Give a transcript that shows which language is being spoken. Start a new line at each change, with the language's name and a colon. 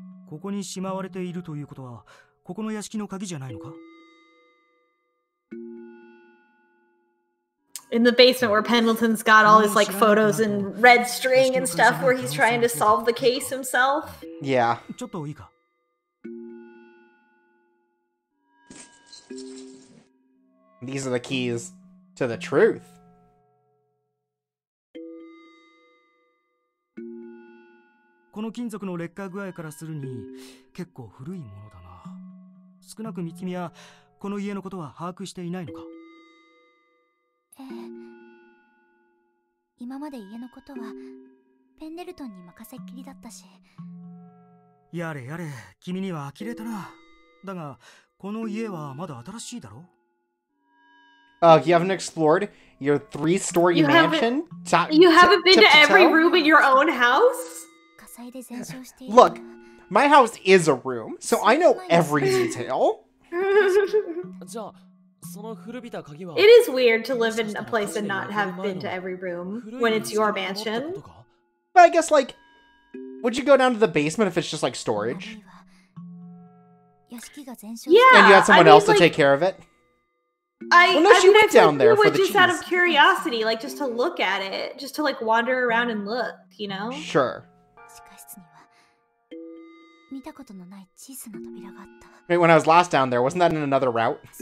Japanese: ここに閉まわれているということはここの屋敷の鍵じゃないのか?
English: In the basement where Pendleton's got all his like photos and red string and stuff where he's trying to solve the case himself. Yeah.
Japanese: ちょっといいか?
English: These are the keys to the truth.
Japanese: この金属の劣化具合からするに結構古いものだな。少なく君はこの家のことは把握していないのか。今まで家のことはペンデルトンに任せっきりだったし。やれやれ、君には呆れたな。だがこの家はまだ新しいだろ。
English: You haven't explored your three-story mansion? You haven't been to every room in your own house? Look, my house is a room, so I know every detail. It is weird to live in a place and not have been to every room when it's your mansion. But I guess, like, would you go down to the basement if it's just, like, storage? Yeah, and you had someone else to take care of it? Just out of curiosity, like, just to look at it, just to, like, wander around and look, you know? Sure.
Japanese: 見たことのない小さな扉があった。
English: Wait, when I was last down there, wasn't that in another route?